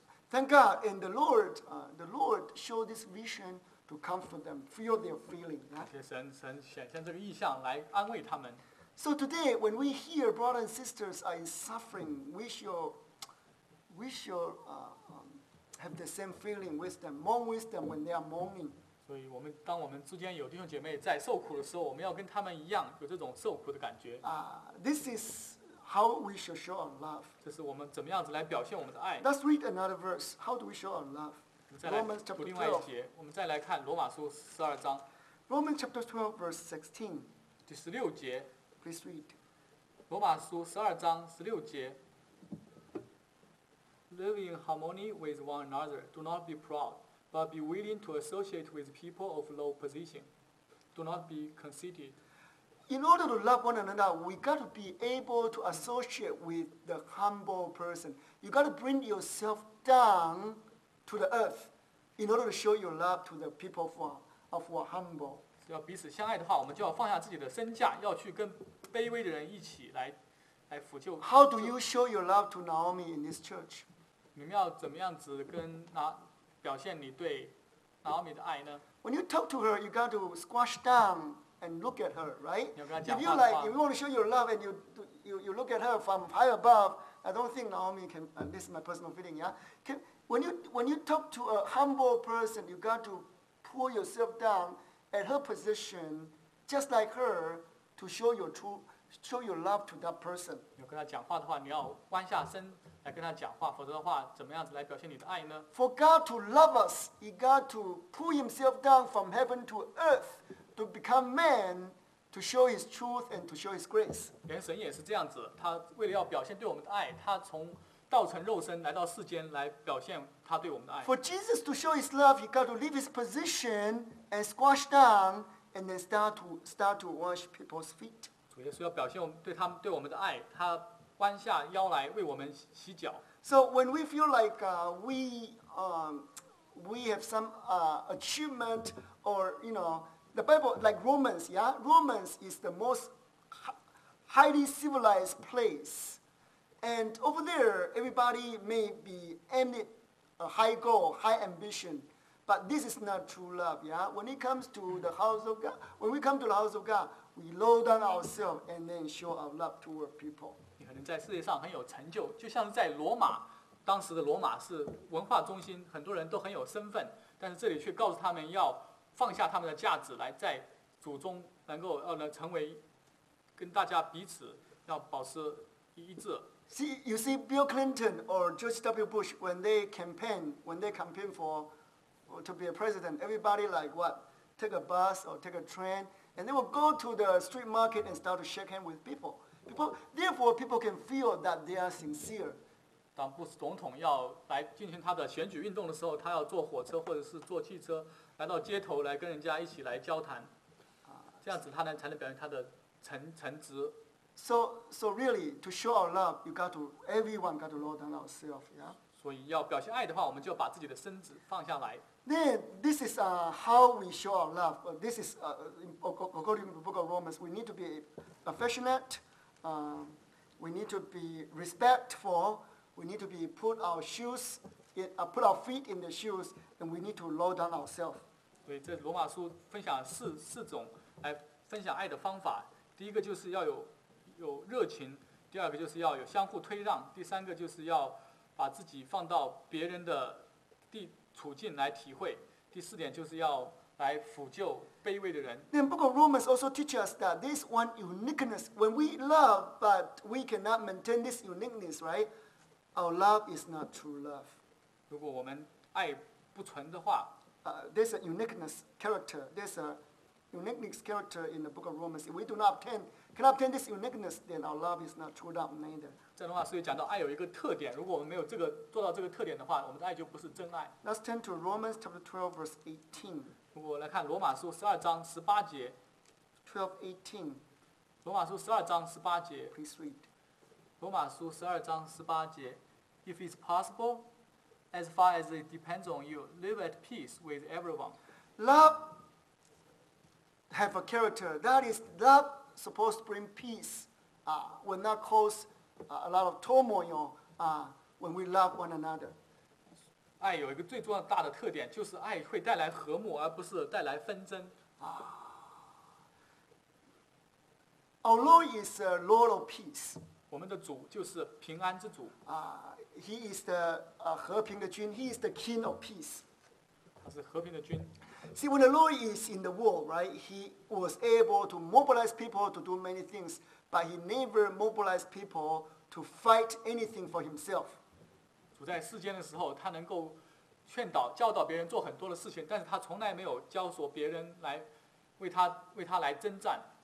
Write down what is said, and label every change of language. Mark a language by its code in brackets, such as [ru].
[en] Thank God and the Lord showed this vision. To comfort them, feel their feeling. [zh] 感谢神显现这个意象来安慰他们。 [en] So today, when we hear brothers and sisters are in suffering, we shall have the same feeling with them, mourn with them when they are mourning. [zh] 所以，当我们之间有弟兄姐妹在受苦的时候，我们要跟他们一样有这种受苦的感觉。 [en] This is how we shall show our love. [zh] 这是我们怎么样子来表现我们的爱。 [en] Let's read another verse. How do we show our love? Romans chapter 12. Romans chapter 12, verse 16. [zh] 第十六节。 [en] Please read. [zh] 罗马书十二章十六节。 [en] Live in harmony with one another. Do not be proud, but be willing to associate with people of low position. Do not be conceited. In order to love one another, we got to be able to associate with the humble person. You got to bring yourself down. To the earth, in order to show your love to the people who are humble. [zh] 要彼此相爱的话，我们就要放下自己的身价，要去跟卑微的人一起来俯就。 [en] How do you show your love to Naomi in this church? [zh] 你们要怎么样子表现你对 Naomi 的爱呢 [en] ？When you talk to her, you got to squash down and look at her, right? [zh] 你要跟她讲话的话。 [en] If you want to show your love and you look at her from high above, I don't think Naomi can. This is my personal feeling, yeah. When you talk to a humble person, you got to pull yourself down at her position, just like her, to show your love to that person. [zh] 要跟他讲话的话，你要弯下身来跟他讲话，否则的话，怎么样子来表现你的爱呢 [en] ？For God to love us, He got to pull Himself down from heaven to earth to become man to show His truth and to show His grace. [zh] 连神也是这样子，他为了要表现对我们的爱，他从道成肉身来到世间来表现他对我们的爱。 [en] For Jesus to show His love, He got to leave His position and squash down, and then start to wash people's feet. [zh] 主耶稣要表现对我们的爱，他弯下腰来为我们洗脚。 [en] So when we feel like we have some achievement or you know the Bible like Romans, yeah, Romans is the most highly civilized place. And over there, everybody may be aiming a high goal, high ambition, but this is not true love, yeah? When it comes to the house of God, when we come to the house of God, we low down ourselves and then show our love toward people. [zh] 你可能在世界上很有成就，就像在罗马，当时的罗马是文化中心，很多人都很有身份，但是这里却告诉他们要放下他们的架子，来在祖宗能够成为跟大家彼此要保持一致。 [en] See, you see, Bill Clinton or George W. Bush, when they campaign for or to be a president, everybody like what? Take a bus or take a train, and they will go to the street market and start to shake hands with people. Therefore, people can feel that they are sincere. [zh] 当布什总统要来进行他的选举运动的时候，他要坐火车或者是坐汽车，来到街头来跟人家一起来交谈，这样子他才能表现他的诚挚。 [en] So really, to show our love, you got to everyone got to lower down ourselves, yeah. [zh] 所以要表现爱的话，我们就把自己的身子放下来。 [en] Then this is how we show our love. This is according to the Book of Romans, we need to be affectionate, we need to be respectful. We need to be put our shoes, put our feet in the shoes, and we need to lower down ourselves. [zh] 对，这罗马书分享四种来分享爱的方法。第一个就是要有热情，第二个就是要有相互推让，第三个就是要把自己放到别人的处境来体会，第四点就是要来抚救卑微的人。 [en] Then Book of Romans also teaches us that this one uniqueness, when we love, but we cannot maintain this uniqueness, right? Our love is not true love. [zh] 如果我们爱不纯的话 [en] there's a uniqueness character. There's a uniqueness character in the Book of Romans. If we do not obtain, cannot obtain this uniqueness, then our love is not true love neither. [zh] 这段话所以讲到爱有一个特点。如果我们没有这个做到这个特点的话，我们的爱就不是真爱。 [en] Let's turn to Romans chapter 12, verse 18. [zh] 如果来看罗马书十二章十八节。 [en] 12:18. [zh] 罗马书十二章十八节。 [en] Please read. [zh] 罗马书十二章十八节 [en] If it's possible, as far as it depends on you, live at peace with everyone. Love have a character. That is, love supposed to bring peace, will not cause a lot of turmoil when we love one another. [zh] 爱有一个最重要大的特点，就是爱会带来和睦，而不是带来纷争。 [en] Our Lord is a Lord of peace. [zh] 我们的主就是平安之主。 [en] He is the [zh] 和平的君。 [en] He is the King of Peace. [zh] 他是和平的君。 [en] See, when the Lord is in the world, right? He was able to mobilize people to do many things, but he never mobilized people to fight anything for himself. [zh] 主在世间的时候，他能够劝导、教导别人做很多的事情，但是他从来没有教唆别人来为他来征战。